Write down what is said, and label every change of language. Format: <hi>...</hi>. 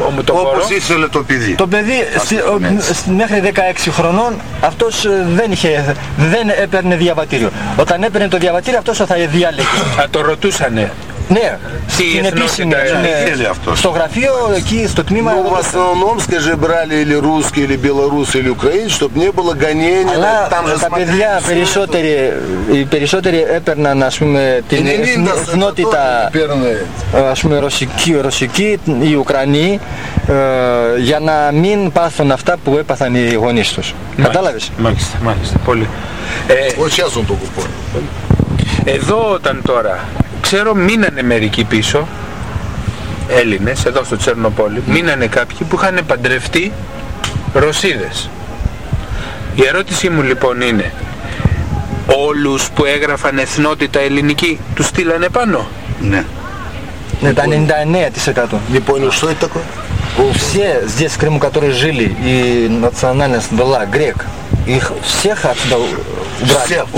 <el>όπως ήθελε το παιδί. Το παιδί μέχρι 16 χρονών αυτός δεν έπαιρνε διαβατήριο. Όταν έπαιρνε το διαβατήριο αυτός θα διάλεγε. Θα το ρωτούσανε. Ναι, στην επίσημη, στο γραφείο εκεί, στο τμήμα...</el> <ru>Ну, в основном, скажи, брали или русские, или белорусы, или украинцы, чтобы не было гонения...</ru> <el>Αλλά τα παιδιά περισσότεροι έπαιρναν, ας πούμε, την εθνότητα, ας πούμε, ρωσική ή Ουκρανή, για να μην πάθουν αυτά που έπαθαν οι γονείς τους. Κατάλαβες? Μάλιστα, πολύ. Όχι, ας τον το κουπό. Εδώ όταν τώρα... Ξέρω μείνανε μερικοί πίσω, Έλληνες, εδώ στο Τσερνοπόλι, μείνανε κάποιοι που είχαν παντρευτεί Ρωσίδες. Η ερώτησή μου λοιπόν είναι, όλους που έγραφαν εθνότητα ελληνική, τους στείλανε πάνω? Ναι. Ναι, τα 99%.</el> <ru>Λοιπόν, что это такое? Все здесь в Крыму, которые жили, и национальность была грек, их всех отсюда убрали.</ru>